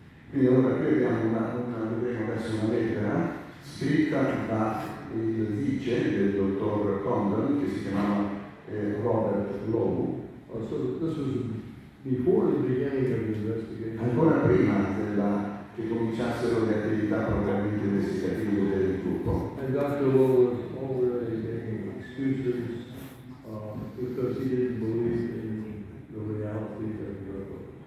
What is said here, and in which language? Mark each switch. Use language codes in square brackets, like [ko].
[it] Quindi allora qui abbiamo vedremo adesso una lettera scritta da il vice del dottor Condon che si chiamava Robert Lowe. [en] So this was before the beginning of the investigation. [it] Ancora prima che cominciassero le attività propriamente investigative del gruppo. [en] And Dr. Lowe was already making excuses because he didn't believe in the reality of the UFO.